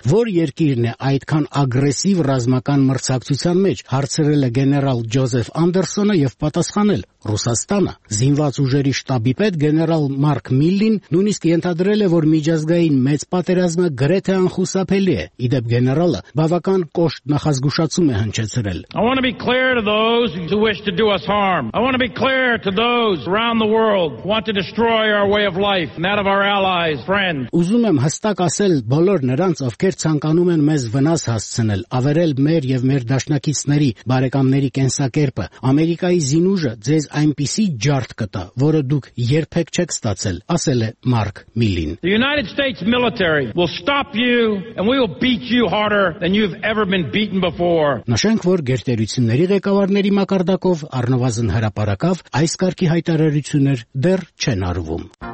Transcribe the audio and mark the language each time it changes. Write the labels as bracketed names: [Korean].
[Armenian] Որ երկիրն է այդքան ագրեսիվ ռազմական մրցակցության մեջ, հարցրել է գեներալ Ջոզեֆ Անդերսոնը և պատասխանել՝ Ռուսաստանը։ Զինված ուժերի շտաբի պետ գեներալ Մարկ Միլլին նույնիսկ ենթադրել է, որ միջազգային մեծ պատերազմը գրեթե անխուսափելի է։ Իդեպ գեներալը բավական կոշտ նախազգուշացում է հնչեցրել. [English] I want to be clear to those who wish to do us harm. I want to be clear to those around the world who want to destroy our way of life and that of our allies, friends. [Armenian] Ուզում եմ հստակ ասել բոլոր նրանց, ովքեր ցանկանում են մեզ վնաս հասցնել, ավերել մեր և մեր դաշնակիցների, բարեկամների կենսակերպը, Ամերիկայի զինուժը ձեզ այնպիսի ջարդ կտա, որը դուք երբեք չեք ստացել, ասել է Մարկ Միլին. [English] The United States military will stop you and we will beat you harder than you've ever been beaten before. [Armenian] Նշենք, որ գերտերությունների ղեկավարների մակարդակով առնվազն հրապարակավ այս կարգի հայտարարություններ դեռ չեն արվում։